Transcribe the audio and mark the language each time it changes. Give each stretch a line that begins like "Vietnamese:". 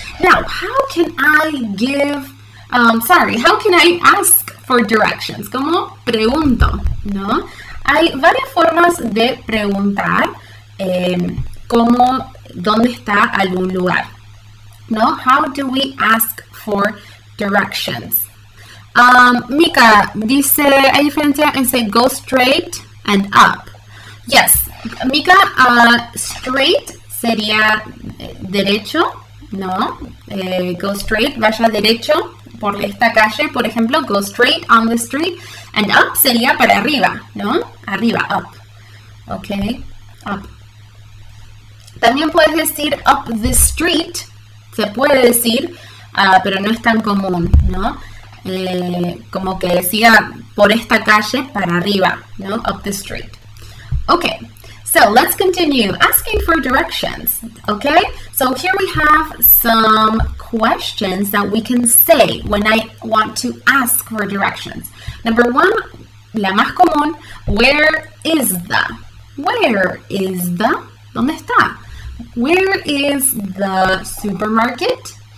English: Now, how can I give, how can I ask for directions?
Spanish: ¿Cómo pregunto? ¿No? Hay varias formas de preguntar cómo, dónde está algún lugar, ¿no?
English: How do we ask for directions?
Spanish: Mika dice, hay diferencia en say
English: go straight and up.
Spanish: Yes, Mika, straight sería derecho, ¿no?
English: Go straight,
Spanish: vaya derecho por esta calle, por ejemplo,
English: go straight on the street. And up
Spanish: sería para arriba, ¿no? Arriba, up. Ok, up. También puedes decir
English: up the street.
Spanish: Se puede decir, pero no es tan común, ¿no? Como que decía por esta calle para arriba, ¿no?
English: Up the street. Ok, so let's continue asking for directions. Ok, so here we have some questions that we can say when I want to ask for directions. Number one,
Spanish: la más común,
English: where is the? Where is the?
Spanish: ¿Dónde está?
English: Where is the supermarket?